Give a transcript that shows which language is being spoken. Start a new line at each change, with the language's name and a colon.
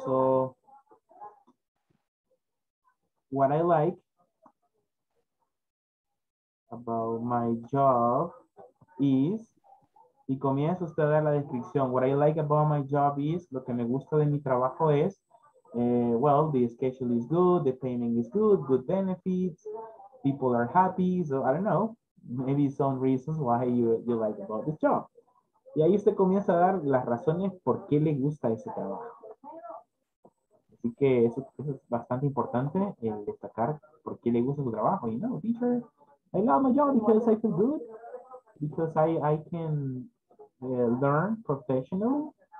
English: So what I like about my job is,
Spanish: y comienza usted a dar la descripción.
English: What I like about my job is,
Spanish: lo que me gusta de mi trabajo es,
English: well, the schedule is good, the payment is good, good benefits, people are happy. So I don't know, maybe some reasons why you like about this job.
Spanish: Y ahí usted comienza a dar las razones por qué le gusta ese trabajo. Así que eso es bastante importante, el destacar por qué le gusta su trabajo.
English: You know, teacher, I love my job because I feel good, because I can learn professionally.